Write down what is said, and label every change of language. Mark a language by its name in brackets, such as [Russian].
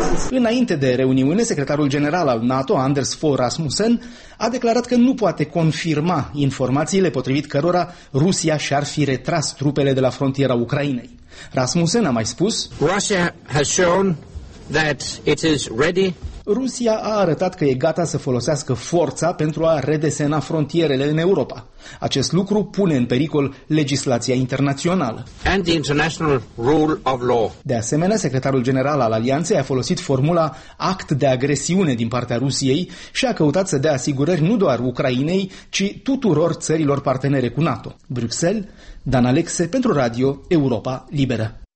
[Romanian] Înainte de reuniune, secretarul general al NATO, Anders Fogh Rasmussen, a declarat că nu poate confirma informațiile potrivit cărora Rusia și-ar fi retras trupele de la frontiera Ucrainei. Rasmussen a mai spus: Rusia a arătat că e gata să folosească forța pentru a redesena frontierele în Europa. Acest lucru pune în pericol legislația internațională. [English] And the international rule of law. [Romanian] De asemenea, secretarul general al Alianței a folosit formula act de agresiune din partea Rusiei și a căutat să dea asigurări nu doar Ucrainei, ci tuturor țărilor partenere cu NATO. Bruxelles, Dan Alexe pentru Radio Europa Liberă.